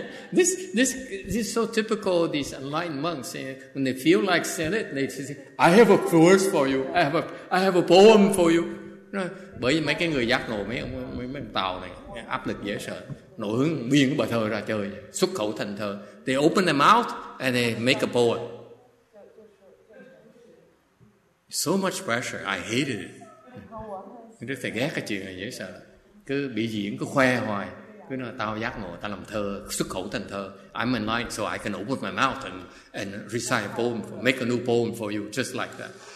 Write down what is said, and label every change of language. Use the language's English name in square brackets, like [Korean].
[English] This is so typical of these enlightened monks. When they feel like saying it, they say, I have a verse for you. I have a poem for you. [Vietnamese] Bởi mấy cái người giác ngộ, mấy tàu này áp lực dễ sợ, nổi hứng biên cái bài thơ ra chơi, xuất khẩu thành thơ. [English] They open their mouth and they make a poem. So much pressure. I hated it. [Vietnamese] Rất là ghét cái chuyện này, dễ sợ. Cứ bị diễn, cứ khoe hoài, cứ nói tao giác ngộ, tao làm thơ, xuất khẩu thành thơ. [English] I'm enlightened, so I can open my mouth and recite a poem, make a new poem for you, just like that.